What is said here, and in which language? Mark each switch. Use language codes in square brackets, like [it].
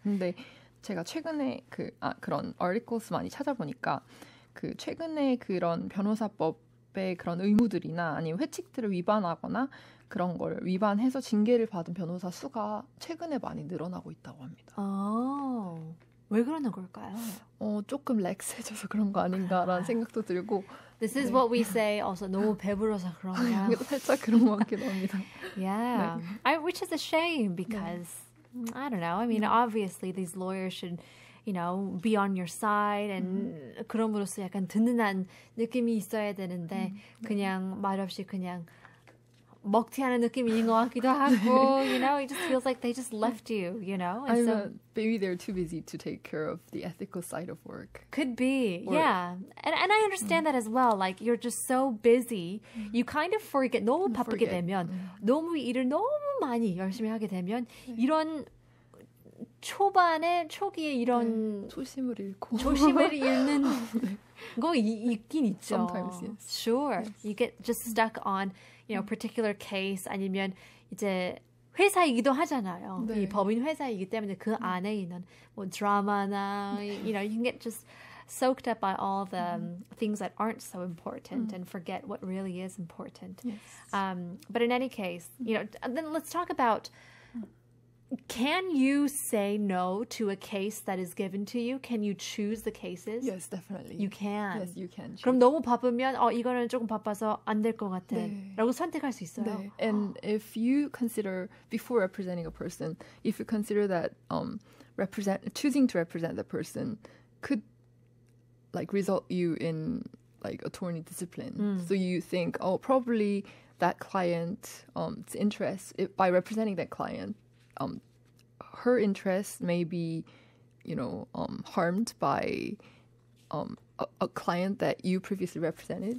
[ko] 근데 제가 최근에 그런 articles 많이 찾아보니까 그 최근에 그런 변호사법의 그런 의무들이나 아니면 회칙들을 위반하거나 그런 걸 위반해서 징계를 받은 변호사 수가 최근에 많이 늘어나고 있다고 합니다. 왜 그러는 걸까요? 조금 렉스해져서 그런 거 아닌가라는 생각도 들고 [en] This is what we say also [ko] 너무 배부러서 그런가요? 살짝 그런 것 같기도 합니다. [en] Yeah, which is a shame because, I don't know, I mean, obviously these lawyers should, you know, be on your side and [ko] 그럼으로써 약간 든든한 느낌이 있어야 되는데 그냥 말없이 그냥 먹튀하는 느낌인 것 같기도 하고, [en] you know, it just feels like they just left you, you know. And so, maybe they're too busy to take care of the ethical side of work. Could be, yeah. And I understand that as well. Like, you're just so busy, you kind of forget. [ko] 너무 바쁘게 되면, 너무 일을 너무 많이 열심히 하게 되면, 이런 초기에 이런 초심을 잃고 조심을 잃는 거 있긴 있죠. [en] Sometimes, yes. Sure. You get just stuck on, you know, particular case [ko] 아니면 이제 회사이기도 하잖아요. 네. 이 법인 회사이기 때문에 그 안에 있는 뭐 드라마나 [en] you know, you can get just soaked up by all the things that aren't so important and forget what really is important. Yes. But in any case, you know, then let's talk about can you say no to a case that is given to you? Can you choose the cases? Yes, definitely. You can. Yes, you can choose. [ko] 그럼 너무 바쁘면 이거는 조금 바빠서 안 될 것 같아. 네. 라고 선택할 수 있어요. 네. [en] And if you consider before representing a person, if you consider that choosing to represent the person could like result you in like attorney discipline. So you think, "Oh, probably that client its interest by representing that client her interest may be, you know, harmed by a client that you previously represented.